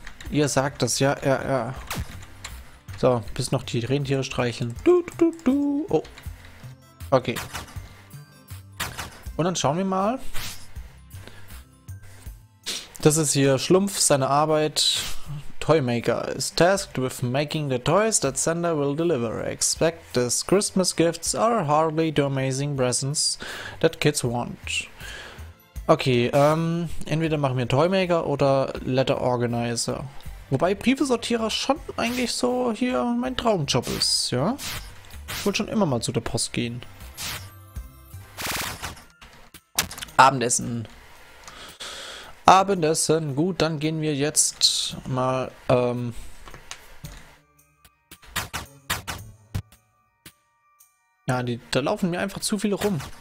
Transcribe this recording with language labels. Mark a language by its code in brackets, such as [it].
[de] Ihr sagt das, ja, ja, ja. So, bis noch die Rentiere streicheln. Du, du, du, du. Oh. Okay. Und dann schauen wir mal. Das ist hier Schlumpf, seine Arbeit. [en] Toymaker is tasked with making the toys that Santa will deliver. Expect this Christmas gifts are hardly the amazing presents that kids want. [de] Okay, entweder machen wir Toymaker oder Letter Organizer. Wobei Briefesortierer schon eigentlich so hier mein Traumjob ist, ja? Ich wollte schon immer mal zu der Post gehen. Abendessen. Abendessen, gut, dann gehen wir jetzt mal, ja, die, da laufen mir einfach zu viele rum.